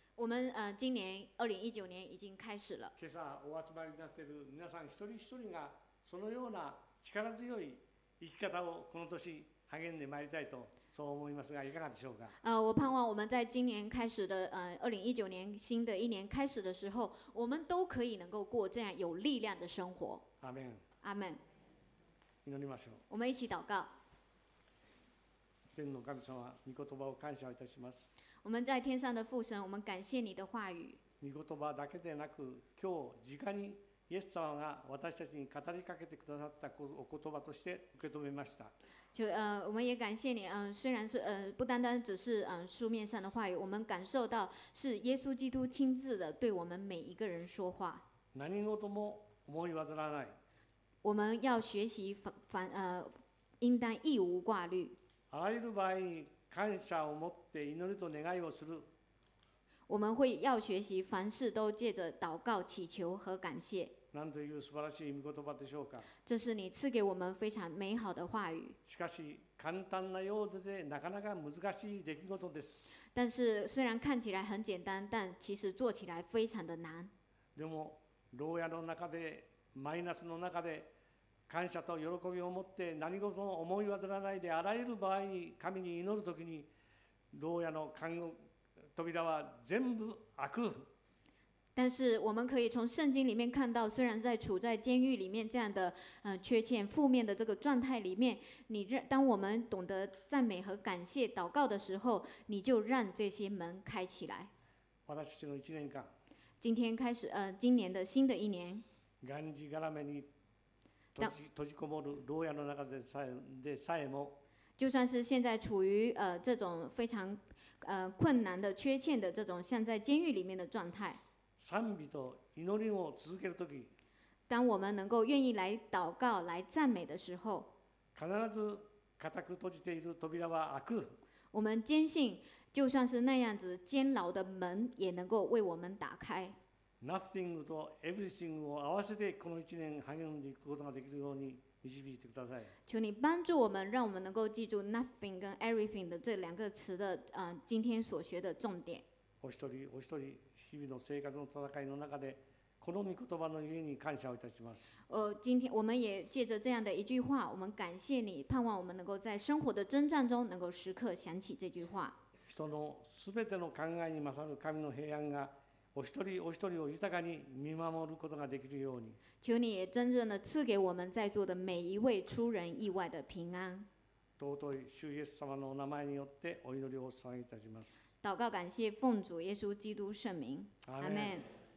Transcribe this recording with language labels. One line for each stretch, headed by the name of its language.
Chinese: 我们今年2019年已经开始了。
Japanese: 今朝お集まりになっている皆さん一人一人がそのような力強い生き方をこの年励んでまいりたいと。そう思いますがいかがでしょうか。
Chinese: 我盼望我们在今年开始的2019年新的一年开始的时候，我们都可以能够过这样有力量的生活。
Japanese: アメン。アメン。祈りましょう。
Chinese: 我们一起祷告。
Japanese: 天の神様、御言葉を感謝いたします。
Chinese: 我们在天上的父神，我们感谢你的话语。
Japanese: 御言葉だけでなく、今日直にイエス様が私たちに語りかけてくださったお言葉として受け止めました。
Chinese: 我们也感谢你。虽然是不单单只是书面上的话语，我们感受到是耶稣基督亲自的对我们每一个人说话。
Japanese: 何事も思い煩わない。
Chinese: 我们要学习应当义无挂虑。
Japanese: あらゆる場合に感謝を持って祈りと願いをする。
Chinese: 我们会要学习凡事都借着祷告、祈求和感谢。
Japanese: 何という素晴らしい御言葉でしょうか。
Chinese: 这是你赐给我们非常美好的话语。
Japanese: しかし簡単なようでなかなか難しい出来事です。
Chinese: 但是虽然看起来很简单，但其实做起来非常的难。
Japanese: でも牢屋の中でマイナスの中で感謝と喜びを持って何事も思い煩わないであらゆる場合に神に祈るときに牢屋の監獄扉は全部開く。
Chinese: 但是我们可以从圣经里面看到，虽然在处在监狱里面这样的缺欠负面的这个状态里面，你当我们懂得赞美和感谢祷告的时候，你就让这些门开起来。
Japanese: 私の一年間。
Chinese: 今天开始今年的新的一年。
Japanese: がんじがらめに閉じこもる牢屋の中でさえも。
Chinese: 就算是现在处于这种非常困难的缺欠的这种像在监狱里面的状态。
Japanese: 賛美と祈りを続けるとき、
Chinese: 当我们能够愿意来祷告、来赞美的时候，
Japanese: 必ず固く閉じている扉は開く。
Chinese: 我们坚信，就算是那样子监牢的门，也能够为我们打开。
Japanese: Nothing と everything を合わせてこの一年励んでいくことができるように導いてください。
Chinese: 求你帮助我们，让我们能够记住 nothing 跟 everything 的这两个词的今天所学的重点。
Japanese: お一人お一人。日々の生活の戦いの中でこの御言葉の上に感謝をいたします。
Chinese: 今天我们也借着这样的一句话，我们感谢你，盼望我们能够在生活的征战中能够时刻想起这句话。
Japanese: 人のすべての考えに勝る神の平安がお一人お一人を豊かに見守ることができるように。
Chinese: 求你也真正的赐给我们在座的每一位出人意外的平安。
Japanese: 尊い主イエス様のお名前によってお祈りをお捧げいたします。
Chinese: 祷告感谢奉主耶稣基督圣名，阿门。